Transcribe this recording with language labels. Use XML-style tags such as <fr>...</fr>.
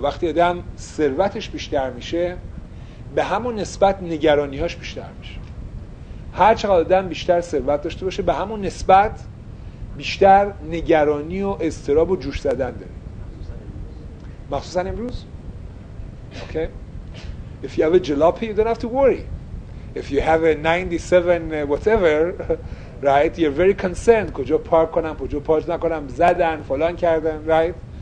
<fa>وقتی آدم ثروتش بیشتر میشه به همون نسبت نگرانیهاش بیشتر میشه. هر چقدر آدم بیشتر ثروت داشته باشه به همون نسبت بیشتر نگرانی و اضطراب و جوش زدن داره، مخصوصا امروز.</fa> <en>Okay. If you have a jalopy, you don't have to worry. If you have a 97 whatever, right, you're very concerned.</en> <fa>کجا پارک کنم، کجا پارک نکنم، زدن، فلان کردن، right?</fa>